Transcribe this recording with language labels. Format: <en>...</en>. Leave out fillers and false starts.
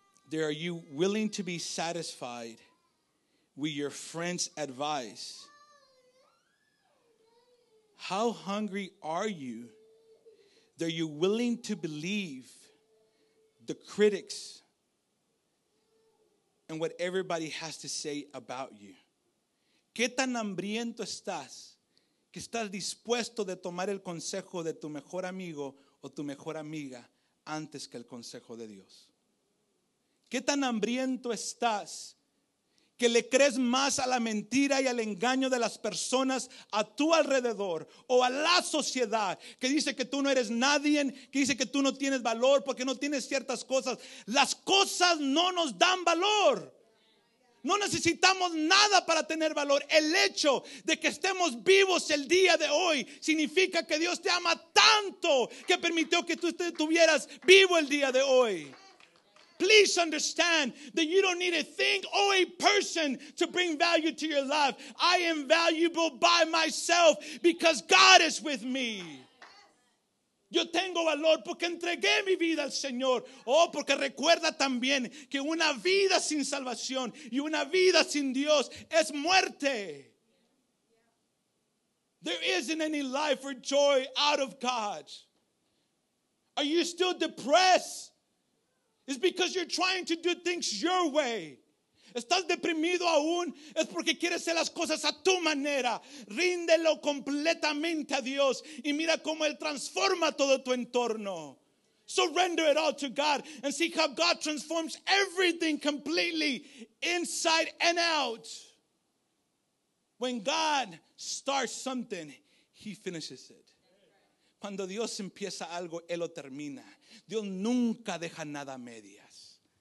<en>There, are you willing to be satisfied with your friend's advice? How hungry are you that you're willing to believe the critics and what everybody has to say about you?</en> <es>¿Qué tan hambriento estás que estás dispuesto de tomar el consejo de tu mejor amigo o tu mejor amiga antes que el consejo de Dios? ¿Qué tan hambriento estás? ¿Que le crees más a la mentira y al engaño de las personas a tu alrededor o a la sociedad que dice que tú no eres nadie, que dice que tú no tienes valor porque no tienes ciertas cosas? Las cosas no nos dan valor. No necesitamos nada para tener valor. El hecho de que estemos vivos el día de hoy significa que Dios te ama tanto que permitió que tú estuvieras vivo el día de hoy.</es> <en>Please understand that you don't need a thing or a person to bring value to your life. I am valuable by myself because God is with me.</en> <es>Yo tengo valor porque entregué mi vida al Señor. Oh, porque recuerda también que una vida sin salvación y una vida sin Dios es muerte.</es> <en>There isn't any life or joy out of God. Are you still depressed? It's because you're trying to do things your way.</en> <es>¿Estás deprimido aún? Es porque quieres hacer las cosas a tu manera. Ríndelo completamente a Dios y mira cómo Él transforma todo tu entorno.</es> <en>Surrender it all to God and see how God transforms everything completely inside and out. When God starts something, He finishes it.</en> <es>Cuando Dios empieza algo, Él lo termina. Dios nunca deja nada a medias.</es>